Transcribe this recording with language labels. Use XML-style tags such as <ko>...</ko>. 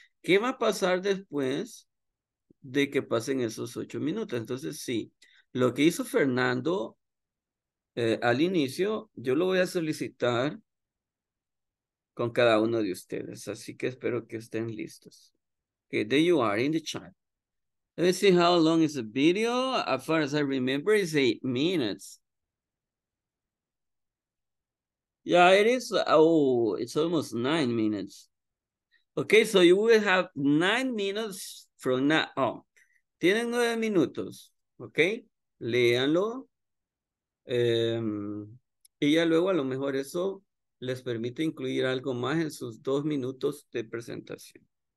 <es>¿Qué va a pasar después de que pasen esos 8 minutos? Entonces, sí, lo que hizo Fernando al inicio, yo lo voy a solicitar con cada uno de ustedes. Así que espero que estén listos.</es> <en>Okay, there you are in the chat. Let me see how long is the video. As far as I remember, it's 8 minutes. Yeah, it is. Oh, it's almost 9 minutes. Okay, so you will have 9 minutes from now.</en> <es>Oh, tienen 9 minutos. Okay, léanlo. Y ya luego a lo mejor eso les permite incluir algo más en sus 2 minutos de presentación.</es>